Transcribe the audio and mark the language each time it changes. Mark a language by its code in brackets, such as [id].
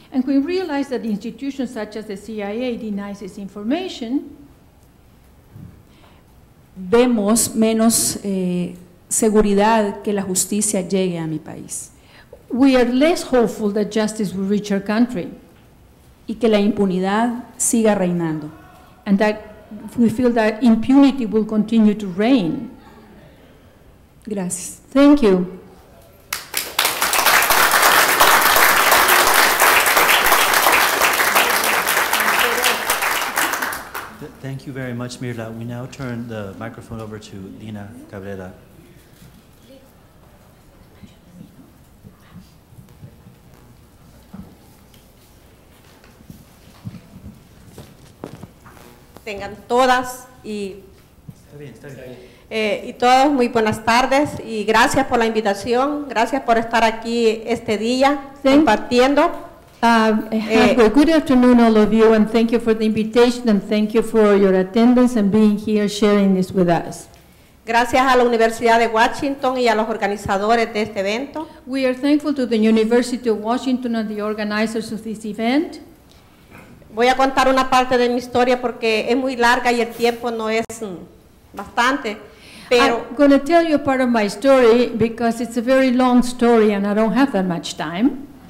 [en] and we realize that institutions such as the CIA denies this information, [es] vemos menos seguridad que la justicia llegue a mi país. [en] We are less hopeful that justice will reach our country. [es] Y que la impunidad siga reinando. [en] And that we feel that impunity will continue to reign. [es] Gracias. [en] Thank you. Thank you very much, Mirla. We now turn the microphone over to Dina Cabrera. [es] Tengan todas y, está bien. Y todos muy buenas tardes y gracias por la invitación, gracias por estar aquí este día compartiendo. [en] Good afternoon all of you and thank you for the invitation and thank you for your attendance and being here sharing this with us. [es] Gracias a la Universidad de Washington y a los organizadores de este evento. [en] We are thankful to the University of Washington and the organizers of this event. [es] Voy a contar una parte de mi historia porque es muy larga y el tiempo no es bastante. Pero [en] I'm going to tell you a part of my story because it's a very long story and I don't have that much time.